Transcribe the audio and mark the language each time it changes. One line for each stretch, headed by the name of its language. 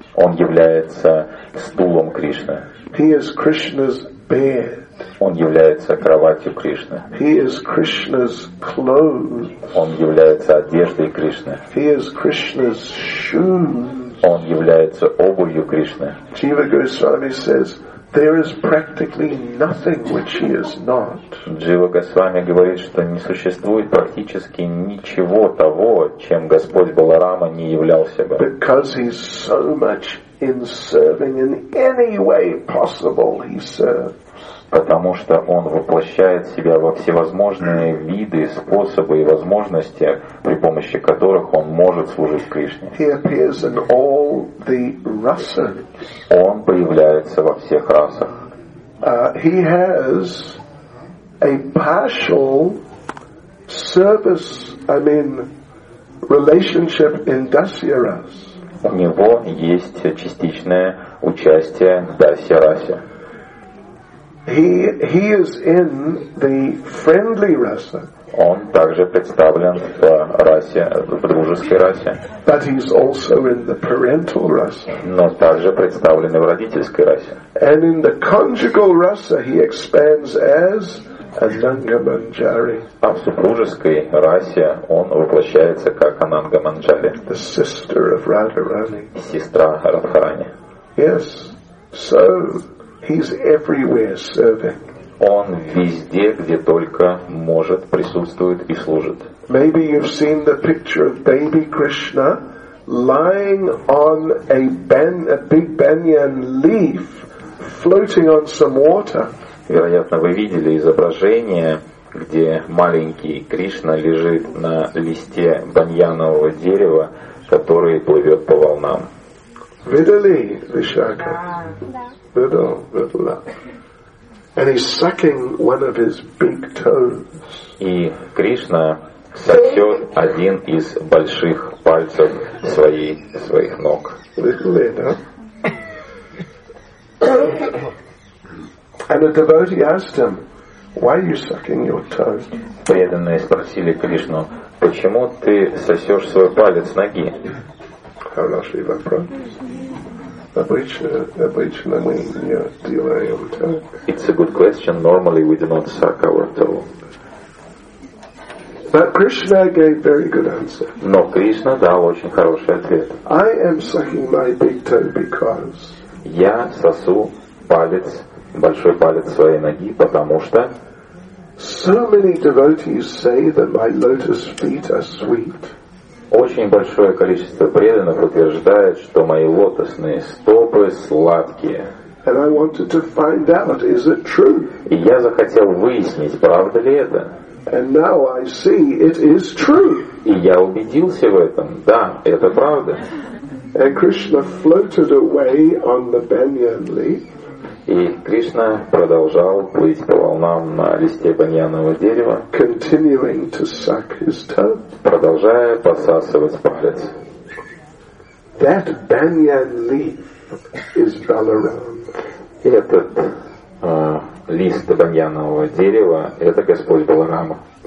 Russian: Он является стулом Кришны.
English: He is Krishna's bed.
Russian: Он является кроватью Кришны.
English: He is Krishna's clothes.
Russian: Он является одеждой Кришны.
English: He is Krishna's shoes.
Russian: Он является обувью Кришны.
English: Jiva Goswami says, there is practically nothing which he is not.
Russian: Jiva Goswami говорит, что не существует практически ничего того, чем Господь Баларама не являлся бы.
English: Because he's so much in serving in any way possible, he serves.
Russian: Потому что он воплощает себя во всевозможные виды, способы и возможности, при помощи которых он может служить Кришне.
English: He appears in all the rasas.
Russian: Он появляется во всех расах.
English: He has a partial service, relationship in dasya ras.
Russian: У него есть частичное участие в дасья расе.
English: He is in the friendly rasa.
Russian: Он также представлен в расе, в дружеской расе.
English: But he's also in the parental rasa.
Russian: Но также представлен в родительской расе.
English: And in the conjugal rasa he expands as Ananga Manjari.
Russian: А в супружеской расе он воплощается как Ананга Манджари.
English: The sister of Radharani.
Russian: Сестра Радхарани.
English: Yes. So he's everywhere serving.
Russian: Он везде, где только может, присутствует и служит.
English: Maybe you've seen the picture of baby Krishna lying on a big banyan leaf floating on some water.
Russian: Вероятно, вы видели изображение, где маленький Кришна лежит на листе баньянового дерева, который плывет по волнам. Видели, Вишака? Видел, видел.
English: And he's sucking one of his big toes.
Russian: И Кришна сосет один из больших пальцев своих ног. Видели, да?
English: And a devotee asked him, "Why are you sucking your toes?"
Russian: Преданные спросили Кришну, почему ты сосешь свой палец ноги? Хороший вопрос. Обычно мы не делаем так.
English: It's a good question. Normally we do not suck our toe. But Krishna gave very good answer.
Russian: Но Кришна дал очень хороший ответ.
English: I am sucking my big toe because.
Russian: Я сосу палец. Большой палец своей ноги, потому что
English: so many devotees say that my lotus feet are sweet.
Russian: Очень большое количество преданных утверждает, что мои лотосные стопы сладкие.
English: And I wanted to find out, is it true?
Russian: И я захотел выяснить, правда ли это.
English: And now I see it is true.
Russian: И я убедился в этом. Да, это правда.
English: And Krishna floated away on the banyan leaf.
Russian: И Кришна продолжал плыть по волнам на листе баньянового дерева,
English: continuing to suck his toe,
Russian: продолжая посасывать палец.
English: That banyan leaf is Balaram.
Russian: Этот лист баньянового дерева — это Господь Баларама.